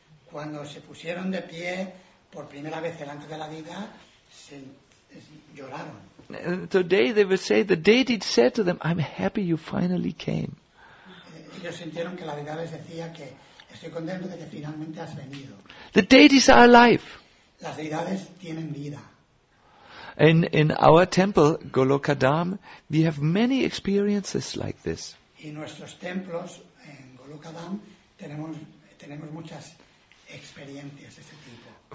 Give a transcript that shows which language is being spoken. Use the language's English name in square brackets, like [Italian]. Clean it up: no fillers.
[Spanish] Cuando se pusieron de pie por primera vez delante de la deidad, se lloraron. [English] Today they would say the deity said to them, "I'm happy you finally came." [Spanish] Ellos sintieron que la deidad les decía que estoy contento de que finalmente has venido. [English] The deities are alive. [Spanish] Las deidades tienen vida. [English] In our temple, Goloka Dham, we have many experiences like this. [Spanish] En nuestros templos, en Goloka Dham, tenemos muchas experiencias de este tipo.